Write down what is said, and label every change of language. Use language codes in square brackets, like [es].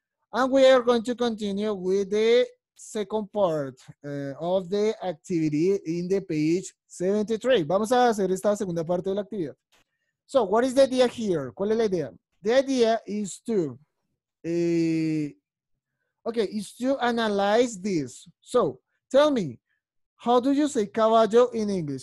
[en] And we are going to continue with the second part of the activity in the page 73. [es] Vamos a hacer esta segunda parte de la actividad. [en] So, what is the idea here? [es] ¿Cuál es la idea? [en] The idea is to, is to analyze this. So, tell me, how do you say caballo in English?